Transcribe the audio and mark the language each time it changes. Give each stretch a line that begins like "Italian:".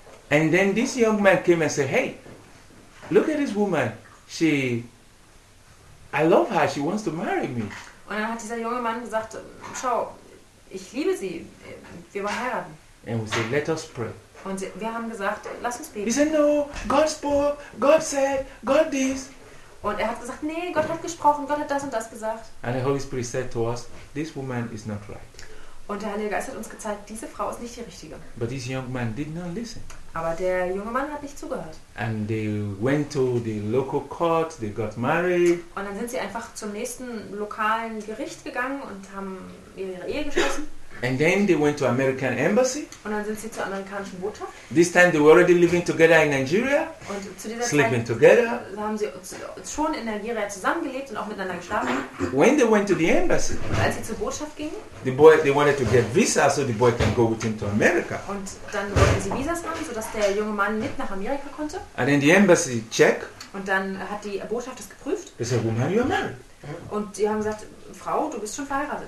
English: And then this young man came and said, "Hey, look at this woman. I love her. She wants to marry me."
German: Und dann hat dieser junge Mann gesagt, "Schau, ich liebe sie. Wir wollen heiraten."
English: And we said, "Let us pray."
German: Und wir haben gesagt, lass uns beten.
English: He said, "No, God spoke. God said. God this."
German: Und er hat gesagt, nee, Gott hat gesprochen. Gott hat das und das gesagt.
English: And the Holy Spirit said to us, "This woman is not right."
German: Und der Heilige Geist hat uns gezeigt, diese Frau ist nicht die Richtige.
English: But this young man did not listen.
German: Aber der junge Mann hat nicht zugehört.
English: And they went to the local court, they got married.
German: Und dann sind sie einfach zum nächsten lokalen Gericht gegangen und haben ihre Ehe geschlossen.
English: And then they went to American Embassy.
German: Und dann sind sie zur amerikanischen Botschaft.
English: This time they were already living together in Nigeria.
German: Und zu dieser
English: sleeping
German: Zeit
English: together.
German: Haben sie schon in Nigeria zusammengelebt und auch miteinander geschlafen.
English: When they went to the embassy.
German: Und als sie zur Botschaft gingen.
English: The boy, they wanted to get visa so the boy can go with him to America.
German: Und dann wollten sie Visas haben, sodass der junge Mann mit nach Amerika konnte.
English: And then the embassy check.
German: Und dann hat die Botschaft das geprüft.
English: They said, "Woman, you are married."
German: Und die haben gesagt, Frau, du bist schon verheiratet.